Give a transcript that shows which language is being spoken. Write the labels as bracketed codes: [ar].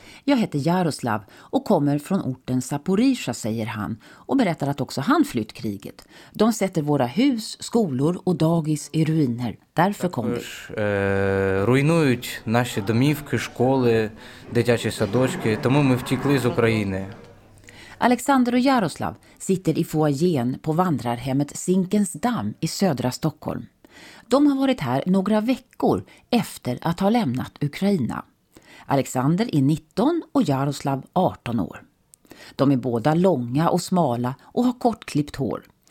[sv] Jag heter Jaroslav och kommer från orten Zaporizjzja, säger han, och berättar att också han flytt kriget. De sätter våra hus, skolor och dagis i ruiner. Därför kom vi. [uk] Руйнують наші домівки, школи, дитячі садочки, тому ми втекли з України. [sv] Alexander och Jaroslav sitter i foajén på vandrarhemmet Zinkens damm i södra Stockholm. De har varit här några veckor efter att ha lämnat Ukraina. Alexander är 19 och Jaroslav 18 år. De är båda långa och smala och har kortklippt hår.